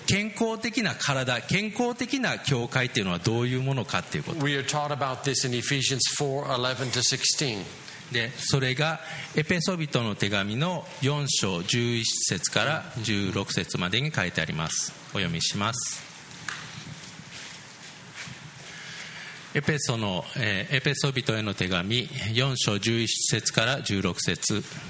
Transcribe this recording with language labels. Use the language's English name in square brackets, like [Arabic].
[Japanese] 健康的な体、健康的な教会っていうのはどういうものかっていうこと。 [English] We are taught about this in Ephesians 4:11 to 16. [Japanese] で、それがエペソ人の手紙の4章11節から16節までに書いてあります。お読みします。エペソ人への手紙4章11節から16節。